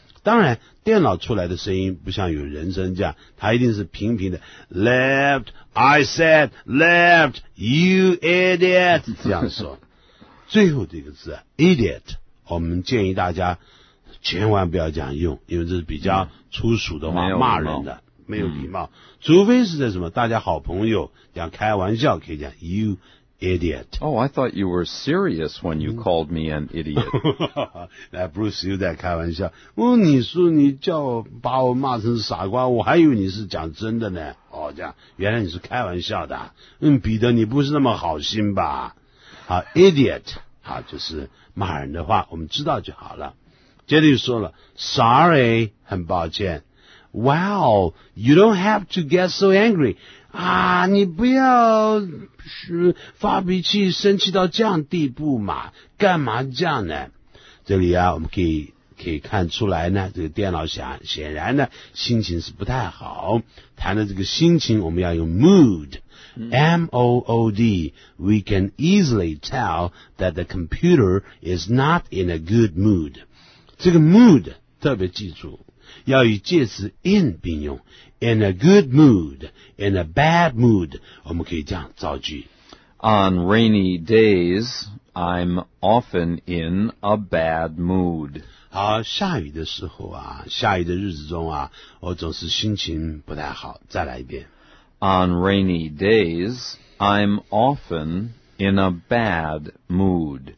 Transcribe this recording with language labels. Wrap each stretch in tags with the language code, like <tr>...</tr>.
<zh>当然电脑出来的声音不像有人声这样，它一定是平平的</zh> <en>left, I said left, you idiot,</en> <zh>这样说。最后这个字 idiot, 我们建议大家千万不要这样用，因为这是比较粗俗的话，骂人的，没有礼貌，除非是在什么大家好朋友这样开玩笑可以讲</zh> <en>you idiot. Oh, I thought you were serious when you called me an idiot.</en> <zh>那 Bruce 又在开玩笑。你说你叫把我骂成傻瓜，我还以为你是讲真的呢。哦，这样，原来你是开玩笑的。彼得，你不是那么好心吧？好 ，idiot， 好，就是骂人的话，我们知道就好了。接着又说了 ，</zh> <en>Sorry，</en> <zh>很抱歉。</zh> <en>Wow, you don't have to get so angry.</en> <zh>啊，你不要。是发脾气生气到这样地步嘛，干嘛这样呢？这里啊我们可以看出来呢，这个电脑显然呢心情是不太好。谈的这个心情我们要用</zh> <en>mood, M-O-O-D, we can easily tell that the computer is not in a good mood.</en> <zh>这个 mood 特别记住要与介词 in 并用 ,</zh> <en>in a good mood, in a bad mood,</en> <zh>我们可以这样造句。</zh> <en>On rainy days, I'm often in a bad mood.</en> <zh>好，下雨的时候啊，下雨的日子中啊，我总是心情不太好，再来一遍。</zh> <en>On rainy days, I'm often in a bad mood.</en>